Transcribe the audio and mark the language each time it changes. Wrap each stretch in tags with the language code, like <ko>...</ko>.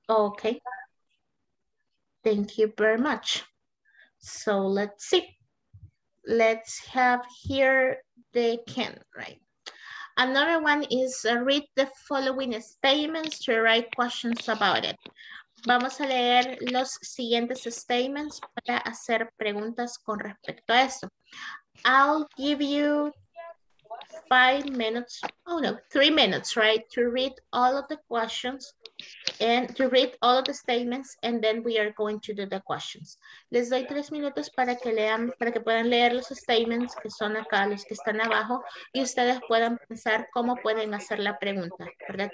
<en>Okay. Thank you very much. So let's see. Let's have here the can, right? Another one is read the following statements to write questions about it.</en> <es>Vamos a leer los siguientes statements para hacer preguntas con respecto a eso.</es> <en>I'll give you 5 minutes, oh no, 3 minutes, right? To read all of the questions and to read all of the statements and then we are going to do the questions.</en> <es>Les doy 3 minutos para que lean, para que puedan leer los statements que son acá, los que están abajo, y ustedes puedan pensar cómo pueden hacer la pregunta, ¿verdad?</es>